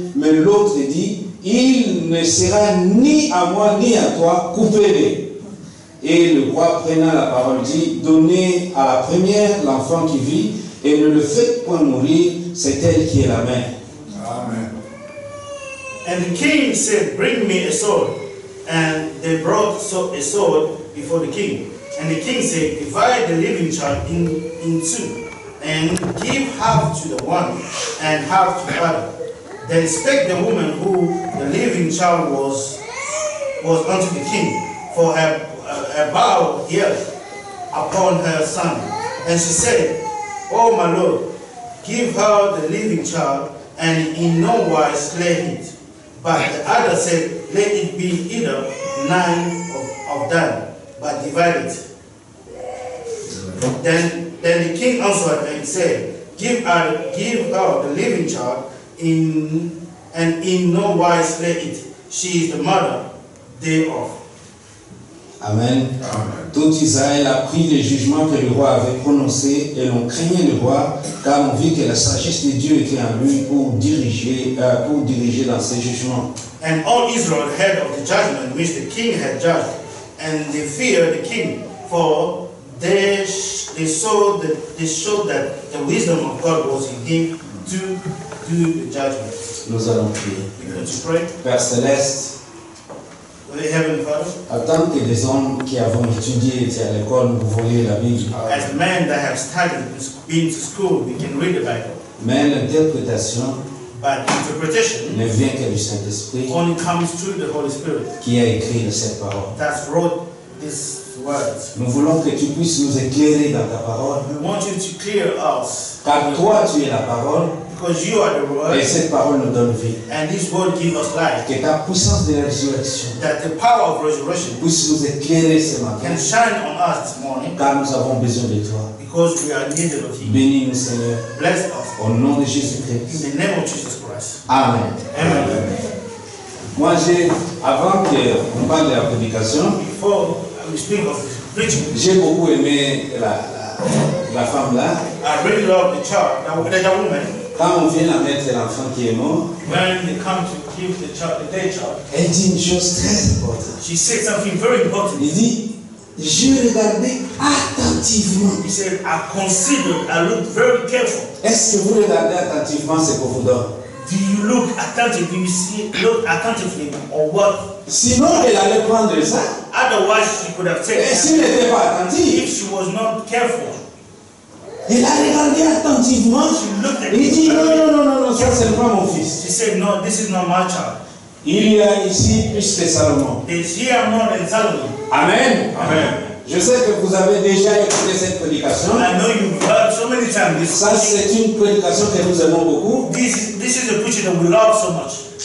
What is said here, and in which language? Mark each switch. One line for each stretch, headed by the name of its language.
French: Mais l'autre dit, il ne sera ni à moi ni à toi, coupez-le. Et le roi prenant la parole dit, donnez à la première l'enfant qui vit, et ne le faites point mourir, c'est elle qui est la mère. Amen.
English: And the king said, bring me a sword. And they brought a sword before the king. And the king said, divide the living child in two, and give half to the one, and half to the other. Then spake the woman who the living child was unto the king, for her bow here upon her son. And she said, O my lord, give her the living child, and in no wise slay it. But the other said, let it be either nine of them, but divide it. Then the king answered and said, give her the living child, and in no wise slay it. She is the mother thereof. Amen.
French: Tout Israël a pris les jugements que le roi avait prononcés et l'on craignait le roi, car on vit que la sagesse de Dieu était en lui pour diriger dans ses jugements.
English: And all Israel heard of the judgment which the king had judged, and they feared the king, for they showed that the wisdom of God was in him to do the judgment.
French: Nous allons prier.
English: Let's pray.
French: Père Céleste, en tant que des hommes qui avons étudié et à l'école, nous voyons la Bible.
English: As men that have studied, been to school, we can read the Bible.
French: Mais l'interprétation,
English: but interpretation,
French: ne vient que du Saint-Esprit.
English: Only comes through the Holy Spirit.
French: Qui a écrit cette parole?
English: That wrote this words.
French: Nous voulons que tu puisses nous éclairer dans ta parole.
English: We want you to clear us.
French: Car toi, tu es la parole.
English: Because you are the word,
French: et cette parole nous donne vie.
English: And this word gives us life.
French: Que ta puissance de résurrection,
English: that the power of resurrection,
French: puisse nous éclairer ce matin,
English: can shine on us this morning.
French: Car nous avons besoin de toi.
English: Because we are needed of you.
French: Bénis-nous, Seigneur.
English: Bless us.
French: Au nom de Jésus Christ.
English: In the name of Jesus Christ. Amen. Amen. Amen.
French: Moi, avant que on parle de la prédication,
English: before we speak of preaching,
French: j'ai beaucoup aimé la femme là.
English: I really love the child, the woman.
French: Quand on vient la mettre l'enfant qui est mort,
English: when they come to give the child, the dead child,
French: elle dit une chose très importante.
English: She said something very important.
French: Il dit, je regardais attentivement.
English: He said, I considered, I looked very careful.
French: Est-ce que vous regardez attentivement ce qu'on vous donne?
English: Do you look attentively? You see, look attentively, or what?
French: Sinon, elle allait prendre ça.
English: Otherwise, she could have taken.
French: Et si elle n'était pas attentive?
English: If she was not careful.
French: Il a regardé attentivement.
English: She looked at him.
French: Il dit non, ça c'est pas mon fils.
English: She said no, this is not my child.
French: Il y a ici plus que Salomon.
English: There's here more than Salomon. Amen. Amen.
French: Je sais que vous avez déjà écouté cette prédication.
English: I know you've heard so many times.
French: Ça c'est une prédication que nous aimons beaucoup.
English: This is a preaching that we love so much.